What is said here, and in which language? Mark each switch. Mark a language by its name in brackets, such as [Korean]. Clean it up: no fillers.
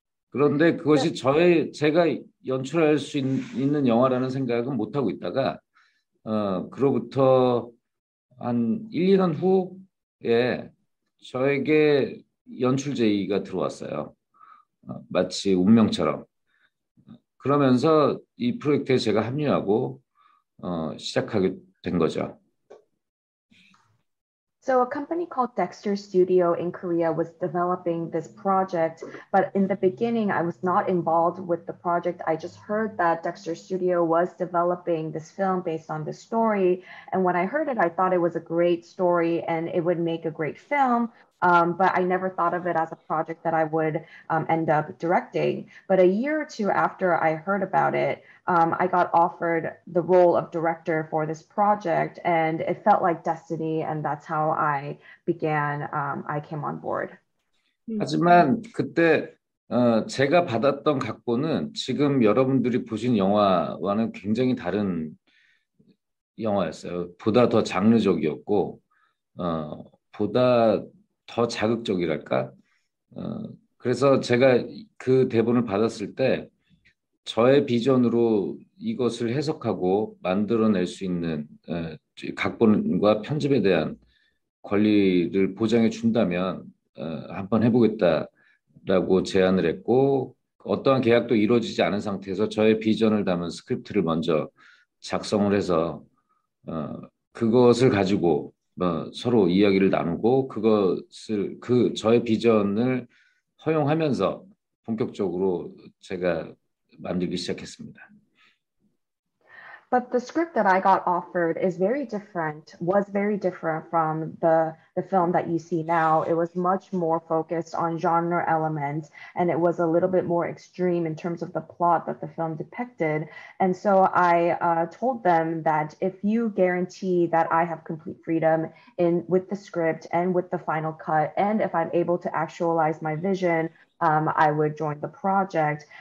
[Korean] 그런데 그것이 제가 연출할 수 있는 영화라는 생각은 못 하고 있다가 그로부터 한 1, 2년 후에 저에게 연출 제의가 들어왔어요. 마치 운명처럼. 그러면서 이 프로젝트에 제가 합류하고 시작하게 된 거죠. [English] So a company called Dexter Studio in Korea was developing this project, but in the beginning, I was not involved with the project. I just heard that Dexter Studio was developing this film based on the story. And when I heard it, I thought it was a great story and it would make a great film. But I never thought of it as a project that I would end up directing. But a year or two after I heard about it, I got offered the role of director for this project, and it felt like destiny, and that's how I began, I came on board. [Korean] 하지만 그때 제가 받았던 각본은 지금 여러분들이 보신 영화와는 굉장히 다른 영화였어요. 보다 더 장르적이었고, 보다 더 자극적이랄까? 그래서 제가 그 대본을 받았을 때 저의 비전으로 이것을 해석하고 만들어낼 수 있는 각본과 편집에 대한 권리를 보장해 준다면 한번 해보겠다라고 제안을 했고 어떠한 계약도 이루어지지 않은 상태에서 저의 비전을 담은 스크립트를 먼저 작성을 해서 그것을 가지고 서로 이야기를 나누고 그것을 그 저의 비전을 허용하면서 본격적으로 제가 만들기 시작했습니다. [English] But the script that I got offered is very different, was very different from the film that you see now. It was much more focused on genre elements, and it was a little bit more extreme in terms of the plot that the film depicted. And so I told them that if you guarantee that I have complete freedom in with the script and with the final cut, and if I'm able to actualize my vision, I would join the project.